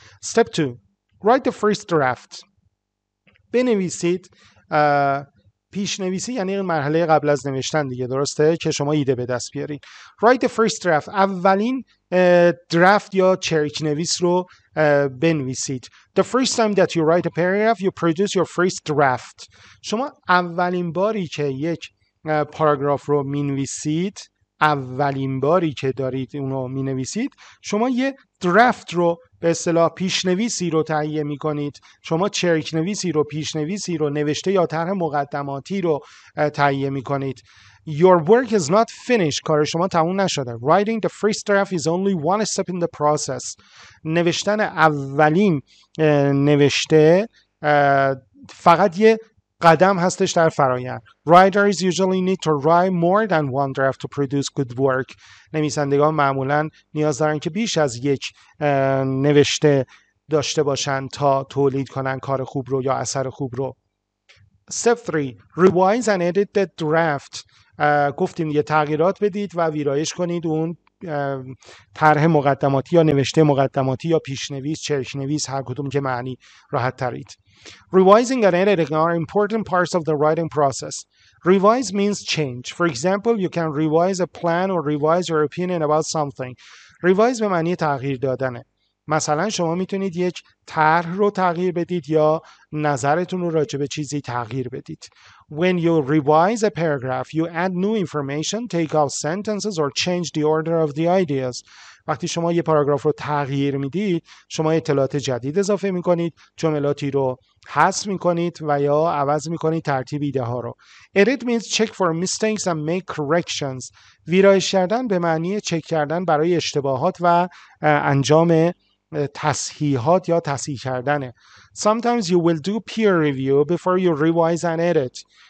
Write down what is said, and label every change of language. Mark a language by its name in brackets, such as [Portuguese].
[English] Step 2. Write the first draft. [Persian] بنویسید. پیشنویسی یعنی مرحله قبل از نوشتن دیگه، درسته؟ که شما ایده به دست بیارید. [English] Write the first draft. [Persian] اولین draft یا چریک نویس رو بنویسید. [English] The first time that you write a paragraph, you produce your first draft. [Persian] شما اولین باری که یک پاراگراف رو می‌نویسید، اولین باری که دارید اونو می‌نویسید، شما یه draft رو به اصطلاح پیشنویسی رو تهیه می‌کنید. شما چریک نویسی رو، پیشنویسی رو، نوشته یا طرح مقدماتی رو تهیه می‌کنید. [English] Your work is not finished. [Persian] کار شما تموم نشده. [English] Writing the first draft is only one step in the process. [Persian] نوشتن اولین نوشته فقط یه قدم هستش در فرایند. [English] Writers usually need to write more than one draft to produce good work. [Persian] نویسندگان معمولا نیاز دارن که بیش از یک نوشته داشته باشن تا تولید کنن کار خوب رو یا اثر خوب رو. [English] Step 3. Revise and edit the draft. [Persian] گفتیم یه تغییرات بدید و ویرایش کنید اون طرح مقدماتی یا نوشته مقدماتی یا پیشنویس، چرکنویس، هر کدوم که معنی راحت ترید. [English] Revising and editing are important parts of the writing process. Revise means change. For example, you can revise a plan or revise your opinion about something. [Persian] Revise به معنی تغییر دادنه. مثلا شما میتونید یک طرح رو تغییر بدید یا نظرتون رو راجع به چیزی تغییر بدید. [English] When you revise a paragraph, you add new information, take off sentences, or change the order of the ideas. [Persian] وقتی شما یه پاراگراف رو تغییر میدید، شما اطلاعات جدید اضافه میکنید، جملاتی رو حذف میکنید و یا عوض میکنید ترتیب ایده ها رو. [English] Edit means check for mistakes and make corrections. [Persian] ویرایش کردن به معنی چک کردن برای اشتباهات و انجام تصحیحات یا تصحیح کردنه. [English] Sometimes you will do peer review before you revise and edit.